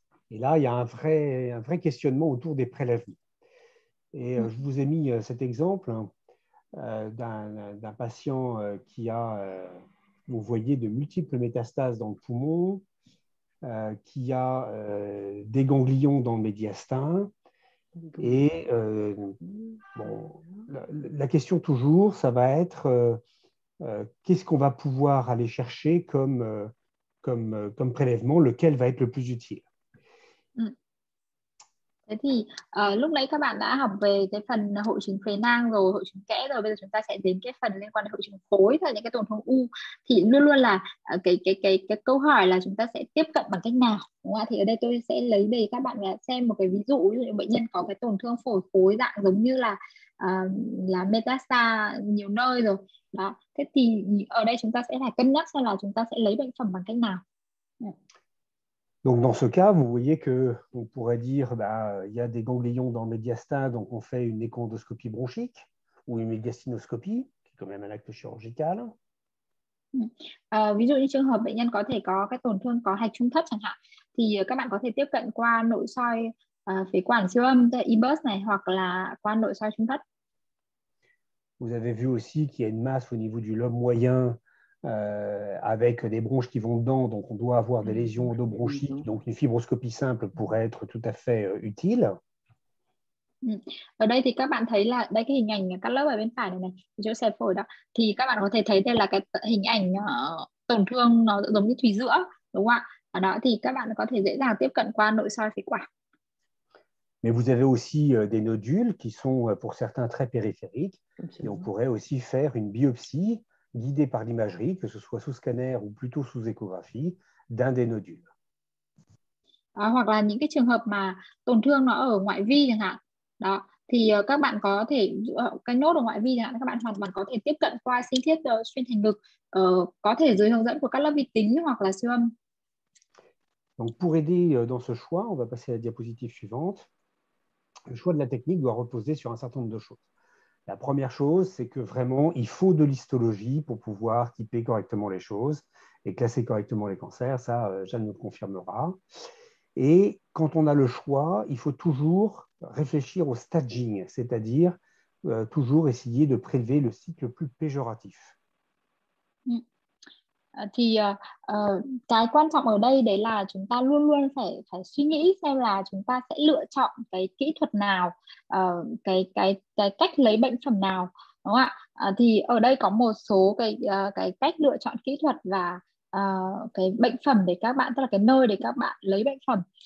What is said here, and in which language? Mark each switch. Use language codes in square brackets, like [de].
[fr] Et là, il y a un vrai questionnement autour des prélèvements. Et je vous ai mis cet exemple d'un patient qui a, vous voyez, de multiples métastases dans le poumon, qui a des ganglions dans le médiastin. Et bon, la question toujours, ça va être… qu'est-ce qu'on va pouvoir aller chercher comme prélèvement, lequel va être le plus utile? [vi] Thế thì lúc nãy các bạn đã học về cái phần hội chứng phế nang rồi, hội chứng kẽ rồi, bây giờ chúng ta sẽ đến cái phần liên quan đến hội chứng khối và những cái tổn thương u. Thì luôn luôn là cái câu hỏi là chúng ta sẽ tiếp cận bằng cách nào, đúng không? Thì ở đây tôi sẽ lấy về các bạn xem một cái ví dụ, ví dụ bệnh nhân có cái tổn thương phổi khối dạng giống như là metastasize nhiều nơi rồi đó. Thế thì ở đây chúng ta sẽ phải cân nhắc xem là chúng ta sẽ lấy bệnh phẩm bằng cách nào. [fr] Donc dans ce cas, vous voyez que on pourrait dire bah, il y a des ganglions dans le médiastin, donc on fait une échoendoscopie bronchique ou une médiastinoscopie, qui est quand même un acte chirurgical. [vi] Ví dụ như trường hợp bệnh nhân có thể có cái tổn thương có hạch trung thất chẳng hạn, thì các bạn có thể tiếp cận qua nội soi phế quản siêu âm e-burst này, hoặc là qua nội soi trung thất. [fr] Vous avez vu aussi qu'il y a une masse au niveau du lobe moyen. Avec des bronches qui vont dedans, donc on doit avoir des lésions endobronchiques, donc une fibroscopie simple pourrait être tout à fait utile. [vi] Ở đây thì các bạn thấy là đây cái hình ảnh các lớp ở bên phải này này, chỗ xẹp phổi đó, thì các bạn có thể thấy đây là cái hình ảnh tổn thương nó giống như thùy giữa, đúng không ạ? Ở đó thì các bạn có thể dễ dàng tiếp cận qua nội soi phế quản. [fr] Mais vous avez aussi des nodules qui sont pour certains très périphériques, Comme ça. et on pourrait aussi faire une biopsie. Guidé par l'imagerie, que ce soit sous scanner ou plutôt sous échographie, d'un des nodules. [vi] Hoặc là những cái trường hợp mà tổn thương nó ở ngoại vi chẳng hạn. Đó, thì các bạn có thể cái nốt ở ngoại vi các bạn hoàn toàn có thể tiếp cận qua sinh thiết xuyên thành ngực, có thể dưới hướng dẫn của các lớp vi tính hoặc là siêu âm. [fr] Donc pour aider dans ce choix, on va passer à la diapositive suivante. Le choix de la technique doit reposer sur un certain nombre de choses. La première chose, c'est que vraiment, il faut de l'histologie pour pouvoir typer correctement les choses et classer correctement les cancers. Ça, Jeanne nous confirmera. Et quand on a le choix, il faut toujours réfléchir au staging, c'est-à-dire toujours essayer de prélever le site le plus péjoratif. [vi] Thì cái quan trọng ở đây đấy là chúng ta luôn luôn phải suy nghĩ xem là chúng ta sẽ lựa chọn cái kỹ thuật nào, cái cách lấy bệnh phẩm nào, đúng không ạ? Thì ở đây có một số cái cách lựa chọn kỹ thuật và cái bệnh phẩm để các bạn, tức là cái nơi để các bạn lấy bệnh phẩm.